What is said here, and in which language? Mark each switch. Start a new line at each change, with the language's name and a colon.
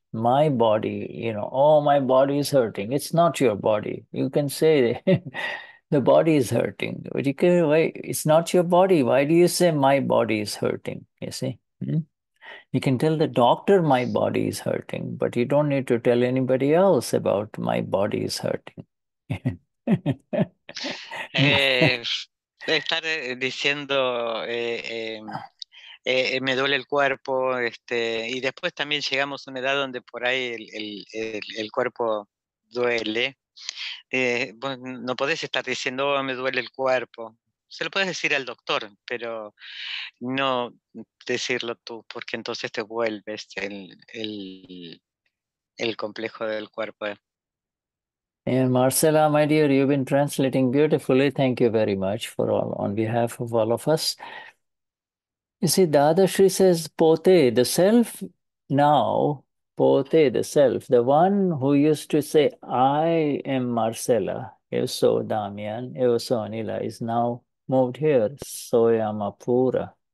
English: My body, you know, oh, my body is hurting. It's not your body. You can say The body is hurting. It's not your body. Why do you say my body is hurting? You see? You can tell the doctor my body is hurting, but you don't need to tell anybody else about my body is hurting.
Spanish: Estar diciendo me duele el cuerpo, y después también llegamos a una edad donde por ahí el cuerpo duele. No podés estar diciendo me duele el cuerpo. Se lo puedes decir al doctor, pero no decirlo tú, porque entonces te vuelves el complejo del cuerpo.
English: And Marcella, my dear, you've been translating beautifully. Thank you very much for all, on behalf of all of us. You see, Dadashri says, Pote, the self now, Pote, the self, the one who used to say, I am Marcella, if so, Damian, if so, Anila, is now moved here, Soyamapura.